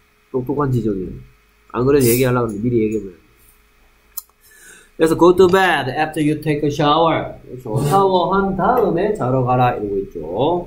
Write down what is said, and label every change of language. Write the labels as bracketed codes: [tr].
[ko] 똑똑한 지적이네. 안 그래도 얘기하려고 했는데 미리 얘기해버려. 그래서 [en] go to bed after you take a shower. [ko] 샤워한 다음에 자러 가라 이러고 있죠.